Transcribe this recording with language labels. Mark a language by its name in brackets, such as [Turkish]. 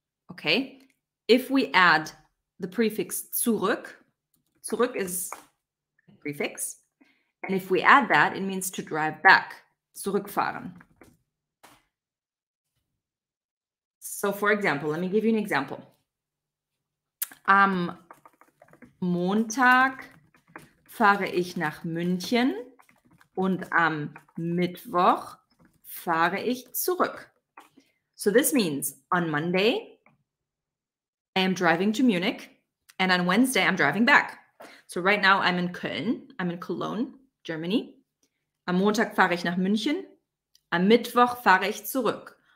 [English] Okay, if we add the prefix zurück, zurück is a prefix. And if we add that, it means to drive back. Zurückfahren. So, for example, let me give you an example. [German] Am Montag fahre ich nach München und am Mittwoch fahre ich zurück. [English] So, this means on Monday, I am driving to Munich and on Wednesday, I'm driving back. So, right now, I'm in Köln. I'm in Cologne, Germany. [German] Am Montag fahre ich nach München, am Mittwoch fahre ich zurück.